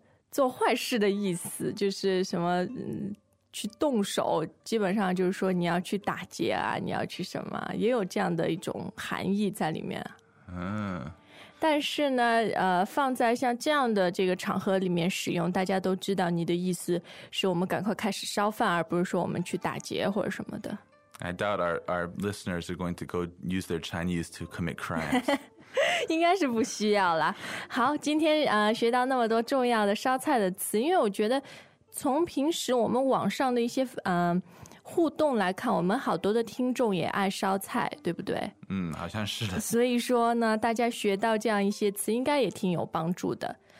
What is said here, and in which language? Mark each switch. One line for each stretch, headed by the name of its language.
Chinese: 做坏事的意思就是什么，去动手，基本上就是说你要去打劫啊，你要去什么，也有这样的一种含义在里面。但是呢，放在像这样的这个场合里面使用，大家都知道你的意思是我们赶快开始烧饭，而不是说我们去打劫或者什么的。
English: I doubt our listeners are going to go use their Chinese to commit crimes.
Chinese: 应该是不需要了。好，今天学到那么多重要的烧菜的词，因为我觉得从平时我们网上的一些互动来看，我们好多的听众也爱烧菜，对不对？嗯，好像是的。所以说呢，大家学到这样一些词，应该也挺有帮助的。